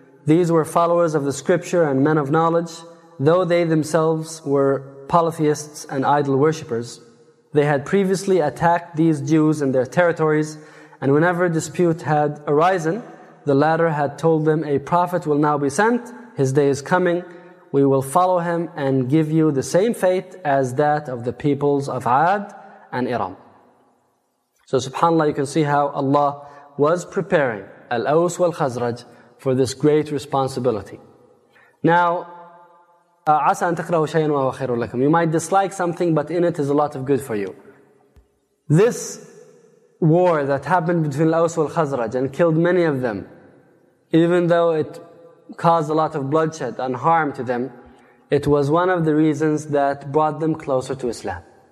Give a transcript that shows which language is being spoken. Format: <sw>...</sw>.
<en>These were followers of the scripture and men of knowledge. Though they themselves were polytheists and idol worshippers, they had previously attacked these Jews in their territories, and whenever dispute had arisen, the latter had told them, "A prophet will now be sent, his day is coming, we will follow him and give you the same fate as that of the peoples of Ad and Iram." So subhanAllah, you can see how Allah was preparing Al-Aws wal-Khazraj for this great responsibility. Now,</en> <ar>عَسَىٰ أَن تَقْرَهُ شَيْءٍ وَهُوَ خَيْرٌ لَكُمْ.</ar> <en>You might dislike something, but in it is a lot of good for you. This war that happened between Al-Aws wal-Khazraj and killed many of them, even though it caused a lot of bloodshed and harm to them, it was one of the reasons that brought them closer to Islam.</en>